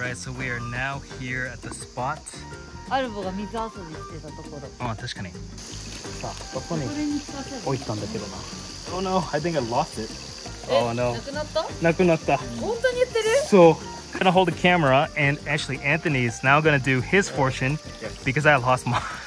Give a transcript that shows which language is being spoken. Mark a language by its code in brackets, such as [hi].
[en] right, so we are now here at the spot. [ja] アルボが水遊びしてたところ。あ、確かに。さあ、ここに置いたんだけどな。 [en] Oh no, I think I lost it. Oh no. [ja] なくなった? なくなった。 [en] So, gonna hold the camera and actually Anthony is now gonna do his fortune because I lost mine.